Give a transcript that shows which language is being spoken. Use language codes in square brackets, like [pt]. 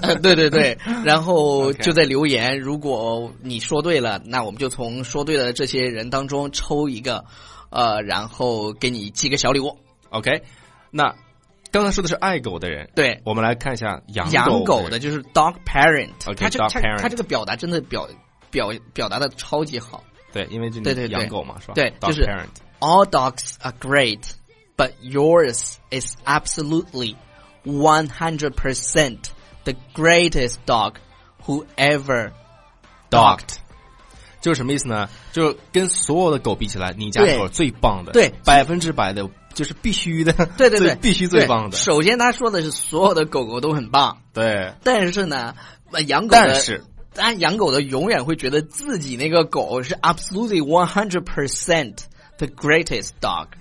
[zh] 对对对，然后就在留言，如果你说对了，那我们就从说对的这些人当中抽一个，然后给你寄个小礼物。 OK， 那。刚才说的是爱狗的人，对，我们来看一下养狗的就是 [en] dog parent。 OK， dog parent， [zh] 他这个表达真的表达的超级好。对，因为就你养狗嘛，对对对，是吧？对，就是 [en] all dogs are great but yours is absolutely 100% the greatest dog who ever dogged。 [zh] 就是什么意思呢？就跟所有的狗比起来，你家狗最棒的。对，对，100%的，就是必须的。对对对，必须最棒的。首先他说的是所有的狗狗都很棒。对，但是呢养狗的，但养狗的永远会觉得自己那个狗是 [en] absolutely 100% the greatest dog。